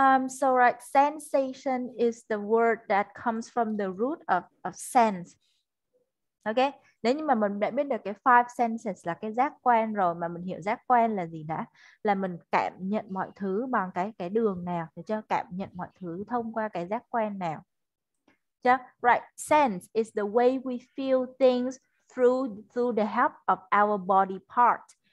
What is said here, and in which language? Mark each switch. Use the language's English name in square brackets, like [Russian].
[English] So right, sensation is the word that comes from the root of sense. Okay? [Vietnamese] Nếu như mà mình đã biết được cái five senses là cái giác quan rồi, mà mình hiểu giác quan là gì đã, là mình cảm nhận mọi thứ bằng cái đường nào, để cho cảm nhận mọi thứ thông qua cái giác quan nào. [English] Yeah? Right, sense is the way we feel things through the help of our body part.